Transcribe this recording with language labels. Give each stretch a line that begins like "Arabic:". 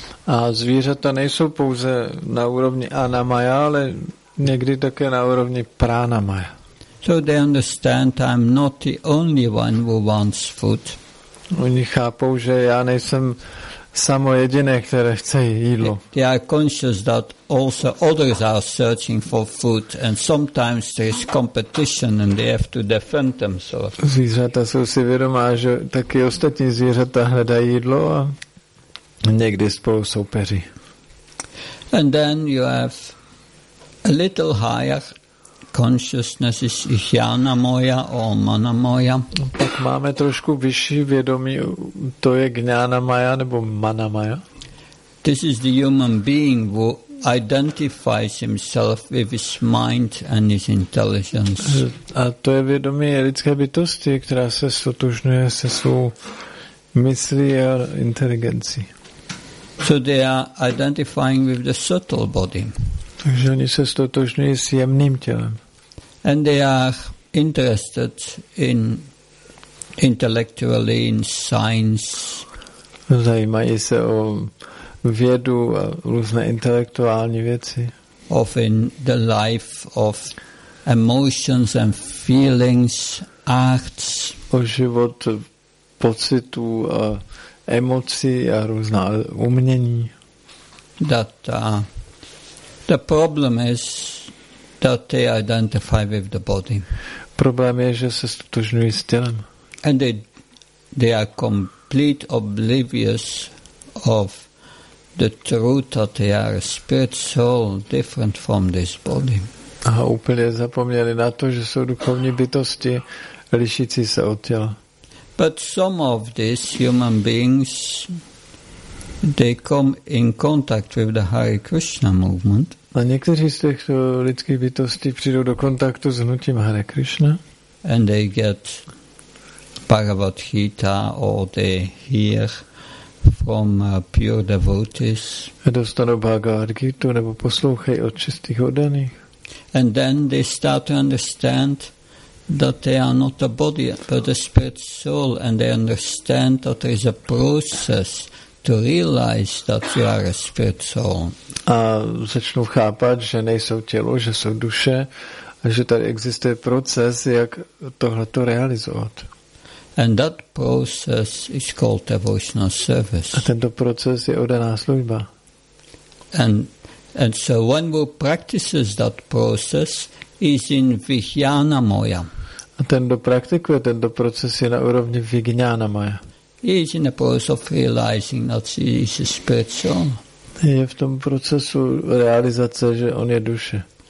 Czech: A zvířata nejsou pouze na úrovni Anamaya, ale někdy také na úrovni Pranamaya.
English: So they understand I'm not the only one who wants food.
Czech: Oni chápou, že já nejsem samo jediné, které chce jídlo.
English: They are conscious that also others are searching for food and sometimes there is competition and they have to defend themselves.
Czech: Zvířata jsou si vědomá, že taky ostatní zvířata hledají jídlo a někdy spolu soupeří.
English: And then you have a little higher consciousness is Jnanamaya or Manamaya.
Czech: Pak máme trošku vyšší vědomí, to je Jnanamaya nebo Manamaya.
English: This is the human being who identifies himself with his mind and his intelligence.
Czech: A to je vědomí lidské bytosti, která se sotožňuje se svou myslí a inteligencí.
English: So they are identifying with the subtle body.
Czech: Takže oni se sotožňují s jemným tělem.
English: And they are interested in intellectually in science.
Czech: Zajímají se o vědu a různé intelektuální věci.
English: Of in the life of emotions and feelings acts,
Czech: o život pocitů a emocí a různá umění.
English: That the problem is that they identify with the body.
Czech: Problém je, že se stotožňují s tělem.
English: And they are complete oblivious of the truth that they are a spirit soul different from this body.
Czech: A úplně zapomněli na to, že jsou duchovní bytosti lišící se od těla.
English: But some of these human beings, they come in contact with the Hare Krishna movement.
Czech: A někteří z těchto lidských bytostí přijdou do kontaktu s hnutím Hare Krishna.
English: And they get Bhagavad Gita or they hear from pure devotees.
Czech: A dostanou Bhagavad Gita nebo poslouchají od čistých oddaných.
English: And then they start to understand that they are not a body but a spirit soul, and they understand that there is a process to realize that you are a spirit soul.
Czech: A začnou chápat, že nejsou tělo, že jsou duše, a že tady existuje proces, jak tohleto realizovat.
English: And that process is called devotional service.
Czech: A tento proces je oddaná služba.
English: And so when we practice that process, is in vijnana maya.
Czech: A ten, kdo praktikuje tento proces, je na úrovni vijnana maya.
English: He is in the process of realizing that he is a spirit soul.
Czech: Je v tom procesu realizace, že on je duše.